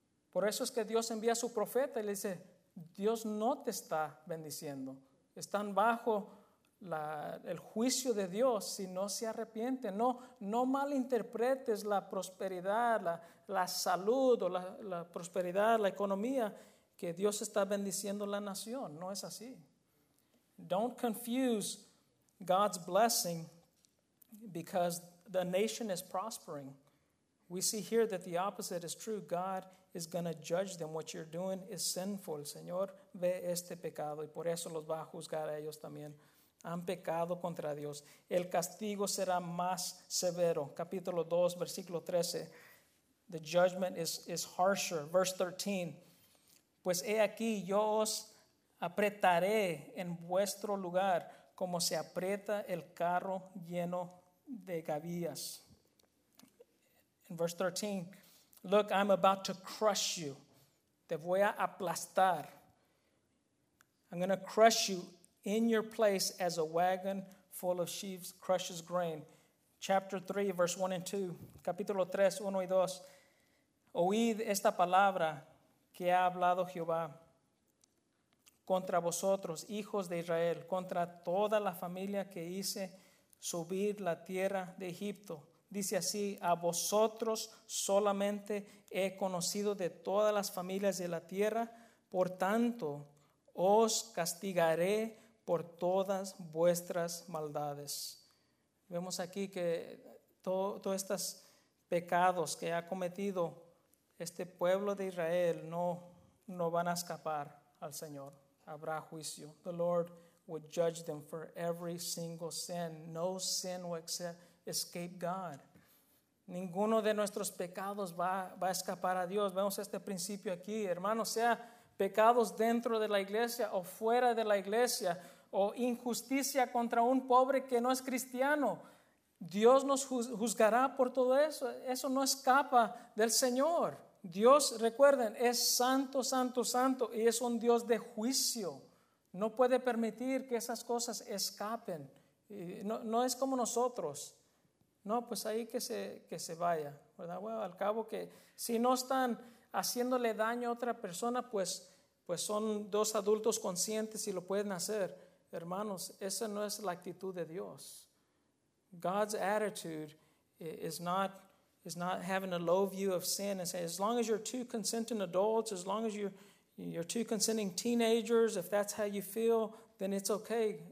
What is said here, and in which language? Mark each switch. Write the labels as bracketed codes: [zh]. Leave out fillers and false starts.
[es] Por eso es que Dios envía a su profeta y le dice, Dios no te está bendiciendo. Están bajo el juicio de Dios si no se arrepiente. No malinterpretes la prosperidad, la salud, o la prosperidad, la economía, que Dios está bendiciendo la nación. No es así. [en] Don't confuse God's blessing because the nation is prospering. We see here that the opposite is true. God is going to judge them. What you're doing is sinful. [es] El Señor ve este pecado y por eso los va a juzgar a ellos también. Han pecado contra Dios. El castigo será más severo. Capítulo 2, versículo 13. [en] The judgment is harsher. Verse 13. [es] Pues he aquí, yo os apretaré en vuestro lugar como se aprieta el carro lleno de Gavías. [en] In verse 13, look, I'm about to crush you. [es] Te voy a aplastar. [en] I'm going to crush you in your place as a wagon full of sheaves crushes grain. Chapter 3, verse 1 and 2. [es] Capítulo 3, 1 y 2. Oíd esta palabra que ha hablado Jehová contra vosotros, hijos de Israel, contra toda la familia que hice subir la tierra de Egipto. Dice así, a vosotros solamente he conocido de todas las familias de la tierra, por tanto, os castigaré por todas vuestras maldades. Vemos aquí que todos estos pecados que ha cometido este pueblo de Israel no van a escapar al Señor. Habrá juicio. [en] The Lord would judge them for every single sin. No sin will escape God. [es] Ninguno de nuestros pecados va a escapar a Dios. Vemos este principio aquí. Hermanos, sea pecados dentro de la iglesia o fuera de la iglesia, o injusticia contra un pobre que no es cristiano, Dios nos juzgará por todo eso. Eso no escapa del Señor. Dios, recuerden, es santo, santo, santo, y es un Dios de juicio. No puede permitir que esas cosas escapen. No es como nosotros. No, pues ahí que se vaya, ¿verdad? Bueno, al cabo que si no están haciéndole daño a otra persona, pues son dos adultos conscientes y lo pueden hacer. Hermanos, esa no es la actitud de Dios. [en] God's attitude is not having a low view of sin and say, as long as you're two consenting adults, as long as you're two consenting teenagers, if that's how you feel, then it's okay.